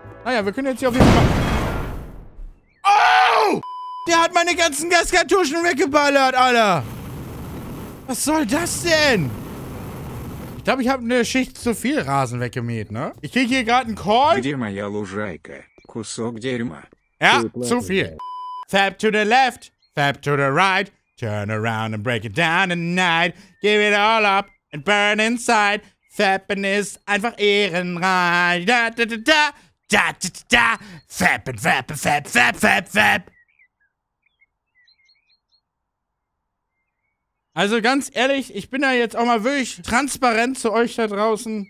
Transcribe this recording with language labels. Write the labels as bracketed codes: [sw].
[de] Naja, wir können jetzt hier auf jeden Fall... Oh! Der hat meine ganzen Gaskartuschen weggeballert, Alter! Was soll das denn? Ich glaube, ich habe eine Schicht zu viel Rasen weggemäht, ne? Ich kriege hier gerade einen Call. [ru] Где моя лужайка? Кусок дерьма. [de] Ja, zu viel. [en] Fab to the left, fab to the right. Turn around and break it down at night. Give it all up and burn inside. [de] Fappen ist einfach ehrenreich. Da, da, da, da. Da, da, da, da. Fappen, fappen, fapp, fapp, fapp, fapp. Also ganz ehrlich, ich bin da jetzt auch mal wirklich transparent zu euch da draußen.